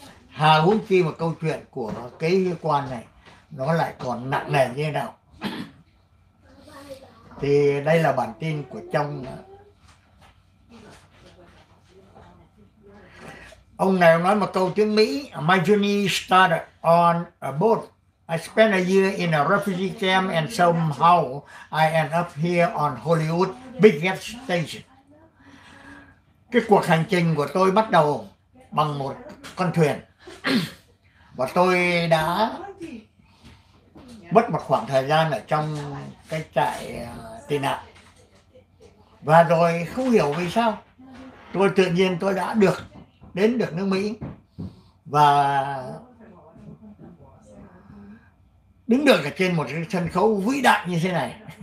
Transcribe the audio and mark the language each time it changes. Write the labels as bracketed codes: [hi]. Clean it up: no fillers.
[vi] Hà huống chi mà câu chuyện của cái liên quan này nó lại còn nặng nề như thế nào. Thì đây là bản tin của trong. Ông này nói một câu tiếng Mỹ. [en] My journey started on a boat. I spent a year in a refugee camp and somehow I end up here on Hollywood Big Station. [vi] Cái cuộc hành trình của tôi bắt đầu bằng một con thuyền và tôi đã mất một khoảng thời gian ở trong cái trại tị nạn và rồi không hiểu vì sao tôi tự nhiên tôi đã được đến được nước Mỹ và đứng được ở trên một cái sân khấu vĩ đại như thế này.